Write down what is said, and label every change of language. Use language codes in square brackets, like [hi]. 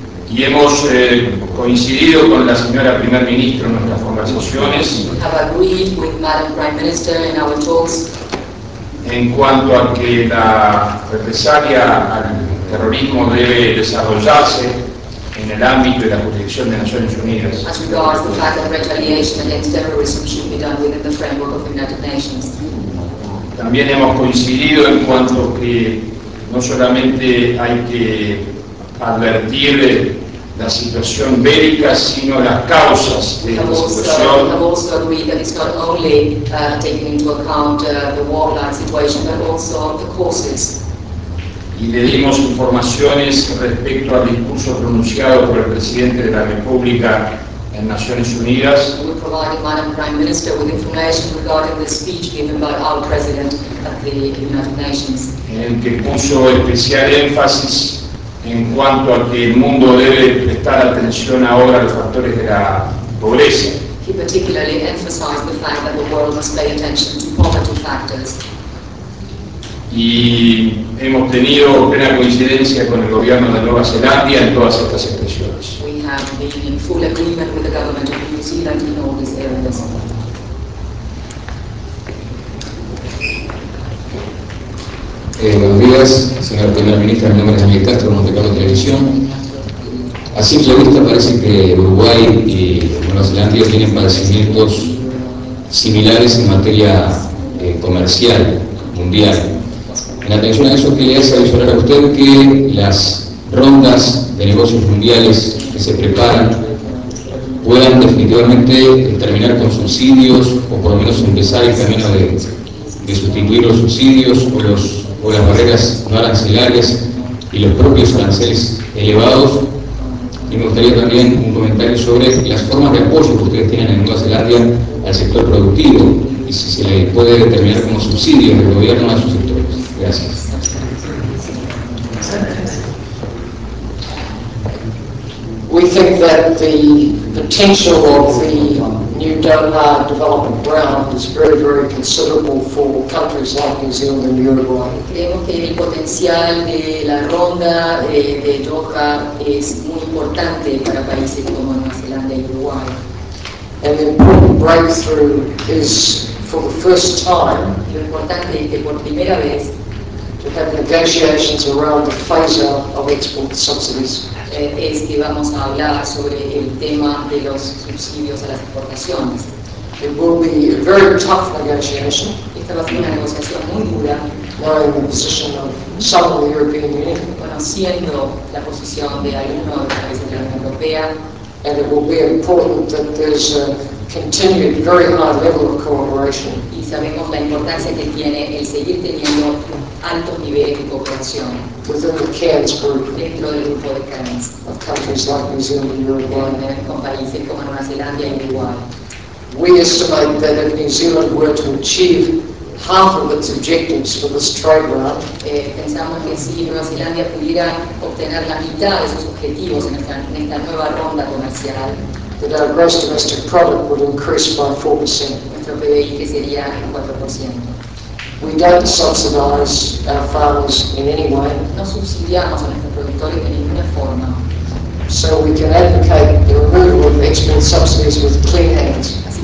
[es] Y hemos coincidido con la señora Primer Ministra en nuestras conversaciones. [en] We have agreed with Madam Prime Minister in our talks. [es] En cuanto a que la represalia al terrorismo debe desarrollarse en el ámbito de la jurisdicción de Naciones Unidas. [en] As regards the fact that retaliation against terrorism should be done within the framework of the United Nations. [es] También hemos coincidido en cuanto que no solamente hay que advertir la situación bélica, sino las causas de la situación. [en] We have also agreed that it's not only taking into account the warlike situation, but also the causes. [es] Y le dimos informaciones respecto al discurso pronunciado por el Presidente de la República en Naciones Unidas. [en] We provided Madam Prime Minister with information regarding the speech given by our President at the United Nations. [es] En el que puso especial énfasis en cuanto a que el mundo debe prestar atención ahora a los factores de la pobreza. [en] He particularly emphasized the fact that the world must pay attention to poverty factors. [es] Y hemos tenido plena coincidencia con el gobierno de Nueva Zelanda en todas estas expresiones. [en] We have been in full agreement with the government of New Zealand in all these areas. [es] Buenos días, señor Primer Ministro, mi nombre es Daniel Castro, Monte Carlo Televisión. A simple vista parece que Uruguay y Nueva Zelanda tienen padecimientos similares en materia comercial, mundial. En atención a eso, quería asesorar a usted que las rondas de negocios mundiales que se preparan puedan definitivamente terminar con subsidios o por lo menos empezar el camino de sustituir los subsidios o las barreras no arancelarias y los propios aranceles elevados. Y me gustaría también un comentario sobre las formas de apoyo que ustedes tienen en Nueva Zelanda al sector productivo y si se le puede determinar como subsidio del gobierno a sus sectores. [en] We think that the potential of the new Doha development round is very, very considerable for countries like New Zealand and Uruguay. [es] Creemos que el potencial de la ronda de Doha es muy importante para países como Nueva Zelanda y Uruguay. [en] And the important breakthrough is for the first time. [es] Lo importante es que por primera vez. [en] We have negotiations around the phase of export subsidies. [es] Es que vamos a hablar sobre el tema de los subsidios a las exportaciones. [en] It will be a very tough negotiation. [es] Esta va a ser una negociación muy dura. [en] Knowing the position of some of the European Union. [es] Conociendo la posición de algunos de los países de la Unión Europea. [en] And it will be important that there's a continued very high level of cooperation. [es] Y sabemos la importancia que tiene el seguir teniendo altos niveles de cooperación dentro del grupo de Cairns, [en] of countries like New Zealand and Uruguay, [es] con países como Nueva Zelanda y Uruguay. [en] We estimate that if New Zealand were to achieve half of its objectives for this trade round, [es] pensamos que si Nueva Zelanda pudiera obtener la mitad de sus objetivos en esta nueva ronda comercial, [en] that our gross domestic product would increase by 4%. [es] Nuestro PBI crecería en 4%. [en] We don't subsidize our farmers in any way. [es] No subsidiamos a nuestros productores de ninguna forma. [en] So we can advocate the removal of export subsidies with clean hands.